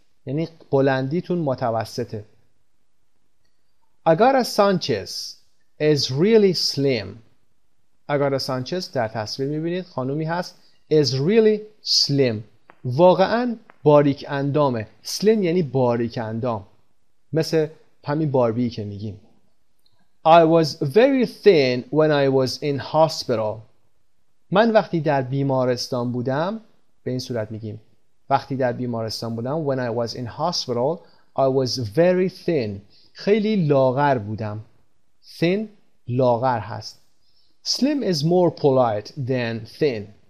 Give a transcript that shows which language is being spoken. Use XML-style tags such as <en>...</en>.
<fa>یعنی بلندیتون متوسطه. Agara Sanchez</fa> <en>is really slim.</en> <fa>Agara Sanchez در تصویر میبینید. خانومی هست.</fa> <en>Is really slim.</en> <fa>واقعاً باریک اندامه. سلیم یعنی باریک اندام، مثل همین باربی که میگیم.</fa> <en>I was very thin when I was in hospital.</en> <fa>من وقتی در بیمارستان بودم، به این صورت میگیم، وقتی در بیمارستان بودم،</fa> <en>when I was in hospital, I was very thin.</en> <fa>خیلی لاغر بودم. Thin لاغر هست.</fa> <en>Slim is more polite than thin.</en>